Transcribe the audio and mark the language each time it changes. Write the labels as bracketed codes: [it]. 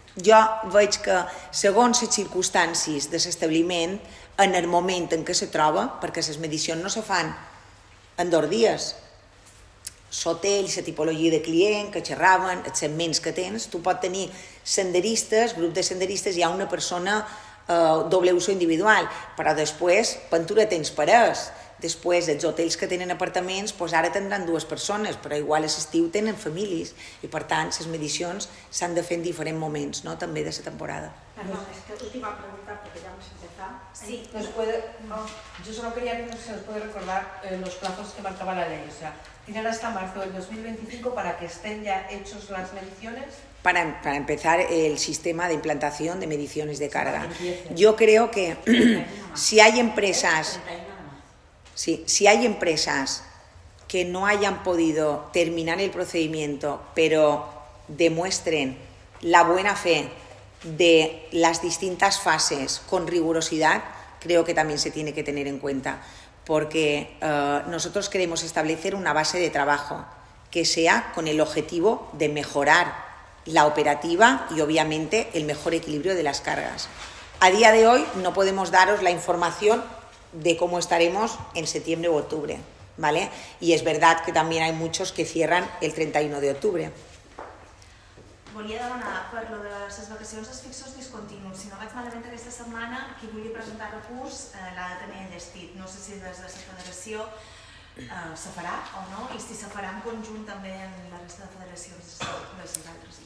[ca] Jo veig que segons les circumstàncies de l'establiment, en el moment en què se troba, perquè les medicions no se fan en 2 dies, l'hotel, la tipologia de client que xerraven, els segments que tens, tu pots tenir senderistes, grup de senderistes, hi ha una persona doble uso individual, però després Pentura tens parells, Després, els hotels que tenen apartaments, doncs ara tindran dues persones, però igual a l'estiu tenen famílies i, per tant, les medicions s'han de fer en diferents moments, no? També de la temporada. Perdó, és que l'última pregunta, perquè ja m'he sentit fa. Sí. [es] Nos puede, no, yo solo quería ver si nos puede recordar los plazos que marcaba la ley. O sea, tienen hasta marzo del 2025 para que estén ya hechos las mediciones. Para empezar el sistema de implantación de mediciones de carga. Yo creo que si hay empresas, si hay empresas que no hayan podido terminar el procedimiento, pero demuestren la buena fe de las distintas fases con rigurosidad, creo que también se tiene que tener en cuenta, porque nosotros queremos establecer una base de trabajo que sea con el objetivo de mejorar la operativa y obviamente el mejor equilibrio de las cargas. A día de hoy no podemos daros la información de cómo estaremos en septiembre u octubre, ¿vale? Y es verdad que también hay muchos que cierran el 31 de octubre. [ca] Volia demanar per lo de les vacacions els fixos discontinus. Si no vaig malament aquesta setmana, qui vulgui presentar recurs l'ha de tenir enllestit. No sé si des de la federació se farà o no, i si se farà en conjunt també amb la resta de federacions les altres.